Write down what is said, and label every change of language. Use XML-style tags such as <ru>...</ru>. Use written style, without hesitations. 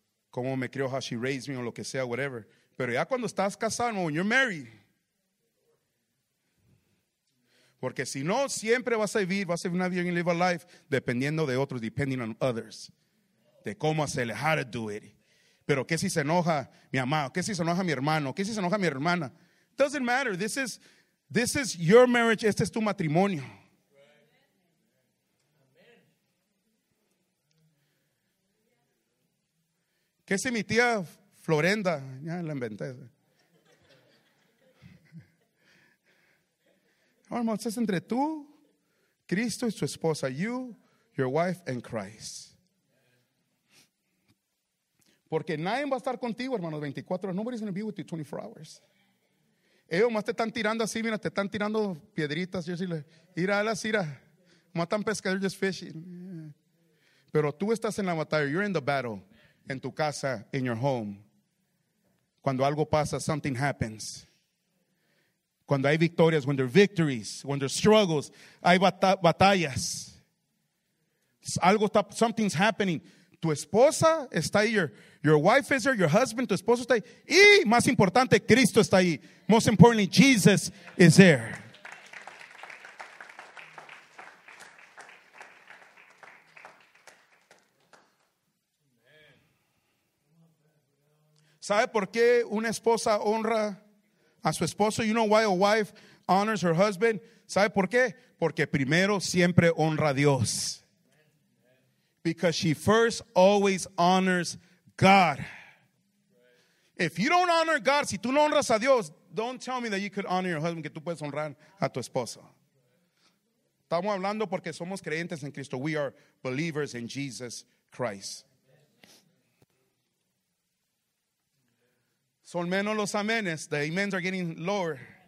<es>Como me crió,</es> <en>how she raised me,</en> <es>o lo que sea, whatever. Pero ya cuando estás casado,</es> <en>when you're married.</en> <es>Porque si no, siempre vas a vivir una vida,</es> <en>you live a life,</en> <es>dependiendo de otros,</es> <en>depending on others.</en> <es>De cómo hacerle,</es> <en>how to do it.</en> <es>Pero qué si se enoja mi amado, qué si se enoja mi hermano, qué si se enoja mi hermana.</es> <en>Doesn't matter, This is your marriage.</en> <es>Este es tu matrimonio. ¿Qué si mi tía Florenda? Ya la inventé. Hermanos, es entre tú, Cristo y su esposa.</es> <en>You, your wife, and Christ.</en> <es>Porque nadie va a estar contigo, hermanos, 24 horas.</es> <en>Nobody's going to be with you 24 hours.</en> <es>Ellos más te están tirando así, mira, te están tirando piedritas. Yo sí le, ira, alas, ira. Matan pescadores,</es> <en>just fishing.</en> <es>Pero tú estás en la batalla.</es> <en>You're in the battle.</en> <es>En tu casa,</es> <en>in your home.</en> <es>Cuando algo pasa,</es> <en>something happens.</en> <es>Cuando hay victorias,</es> <en>when there are victories, when there are struggles,</en> <es>hay batallas. Algo está,</es> <en>something's happening.</en> <es>Tu esposa está ahí,</es> <en>your wife is there, your husband,</en> <es>tu esposo está ahí. Y más importante, Cristo está ahí.</es> <en>Most importantly, Jesus is there.</en> <es>¿Sabe por qué una esposa honra a su esposo?</es> <en>You know why a wife honors her husband?</en> <es>¿Sabe por qué? Porque primero siempre honra a Dios.</es> <en>Because she first always honors God. If you don't honor God,</en> <es>si tú no honras a Dios,</es> <en>don't tell me that you could honor your husband,</en> <es>que tú puedes honrar a tu esposo. Estamos hablando porque somos creyentes en Cristo.</es> <en>We are believers in Jesus Christ.</en> <es>Son menos los amenes.</es> <en>The amens are getting lower.</en>